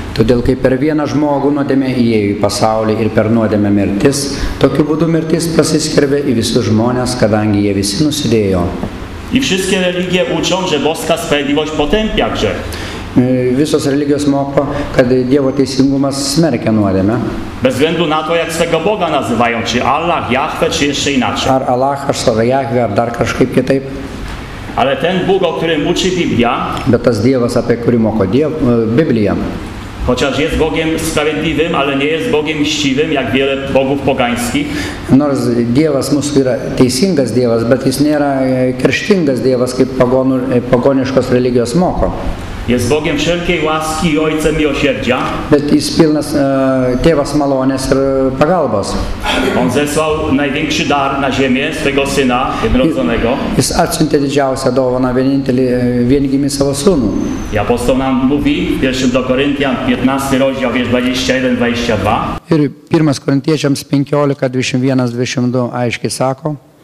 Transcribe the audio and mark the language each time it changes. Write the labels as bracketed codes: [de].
[lt] Todėl kaip per vieną žmogų nuodėmė įėjo į pasaulį ir per nuodėmę mirtis, tokiu būdu mirtis prasiskverbė į visus žmones, kadangi jie visi nusidėjo. [pl] I wszystkie religie uczą, że boska sprawiedliwość potępia grzech. [lt] Visos religijos moko, kad Dievo teisingumas smerkia nuodėmę. [pl] Bez względu na to, jak swego Boga nazywają, czy Allah, Jahwe, czy jeszcze inaczej. [lt] Ar Allah, ar sove Jahwe, ar dar kažkaip kitaip. [pl] Ale ten Bóg, o którym uczy Biblia, [lt] bet tas Dievas, apie kurį moko Biblia, [pl] chociaż jest Bogiem sprawiedliwym, ale nie jest Bogiem mściwym, jak wiele Bogów pogańskich. [lt] Nors Dievas mūsų yra teisingas Dievas, bet jis nėra kerštingas Dievas, kaip pagoniškos religijos moko. [pl] Jest Bogiem wszelkiej łaski i Ojcem miłosierdzia. [lt] Bet jis pilnas Tėvas malonės ir pagalbos. [pl] On zesłał największy dar na ziemię swego Syna jednorodzonego. [lt] Jis atsiuntė didžiausią dovaną, vienintelį viengimį savo sūnų. [pl] I apostol nam mówi, 1 do Koryntian, 15 rozdział, 21-22. [lt] Ir 1 Korintiečiams 15:21-22 aiškiai sako.